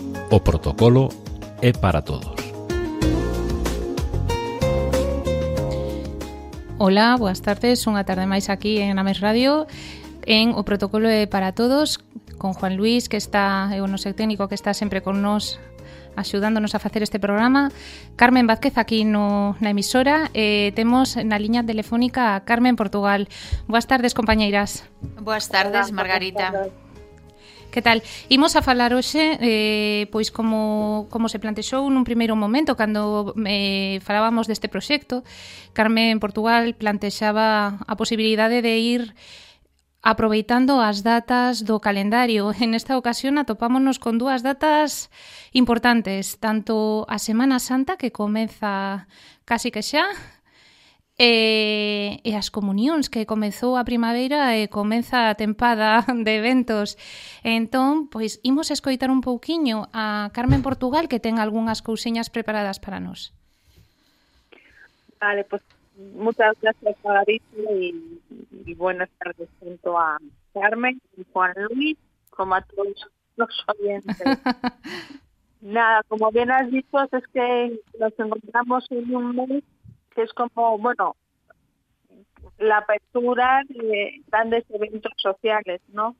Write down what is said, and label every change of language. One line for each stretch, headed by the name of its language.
Galician: O protocolo é para todos. Ola, boas tardes, unha tarde máis aquí en Ames Radio en O protocolo é para todos con Juan Luis, que está, é o noso técnico que está sempre con nós axudándonos a facer este programa. Carmen Vázquez aquí no, na emisora e temos na liña telefónica a Carmen Portugal. Boas tardes, compañeiras. Boas tardes, Margarita. Que tal? Imos a falar hoxe, pois como se plantexou nun primeiro momento cando falábamos deste proxecto, Carmen Portugal plantexaba a posibilidade de ir aproveitando as datas do calendario. En esta ocasión atopámonos con dúas datas importantes, tanto a Semana Santa, que comeza casi que xa, e as comunións, que comezou a primavera e comeza a tempada de eventos. Entón, pois, imos escoitar un pouquiño a Carmen Portugal, que ten algunhas cousiñas preparadas para nós.
Spanish: Vale, pois, muchas gracias, Margarita, y buenas tardes junto a Carmen y Juan Luis, como a todos los oyentes. Nada, como bien has dicho, es que nos encontramos en un mes que es como, bueno, la apertura de grandes eventos sociales, ¿no?